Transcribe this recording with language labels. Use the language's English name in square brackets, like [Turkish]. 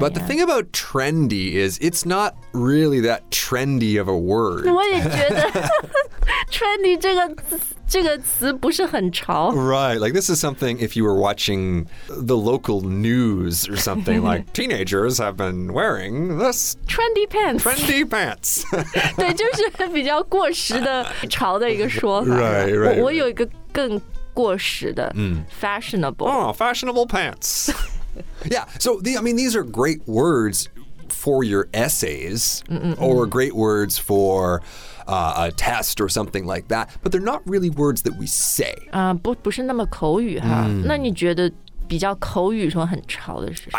[English] But the thing about trendy is it's not really that trendy of a word. [Chinese] 我也觉得trendy 这个词不是很潮 [English] Right, like this is something if you were watching the local news or something like teenagers have been wearing this Trendy pants Trendy pants [Chinese] 对就是比较过时的潮的一个说法 [English] Right. [Chinese] 我有一个更过时的、Fashionable [English] Oh, fashionable pants Yeah, so these are great words for your essays Or great words forfora test or something like that, but they're not really words that we say. [Chinese] 不是那么口语哈。那你觉得比较口语说很潮的是什么